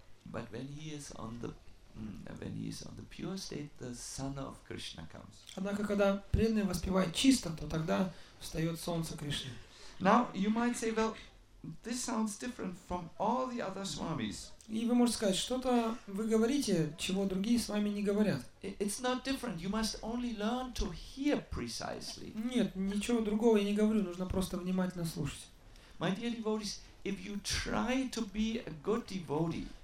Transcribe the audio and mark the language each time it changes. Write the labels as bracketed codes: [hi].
[en] But when he is on the when he is on the pure state, the sun of Krishna comes. [ru] Однако когда преданный воспевает чисто, то тогда встает солнце Кришны. [en] Now you might say, well, this sounds different from all the other swamis. [ru] И вы можете сказать, что-то вы говорите, чего другие с вами не говорят. [en] It's not different. You must only learn to hear precisely. [ru] Нет, ничего другого я не говорю. Нужно просто внимательно слушать. [en] My dear devotees, if you try to be a good devotee.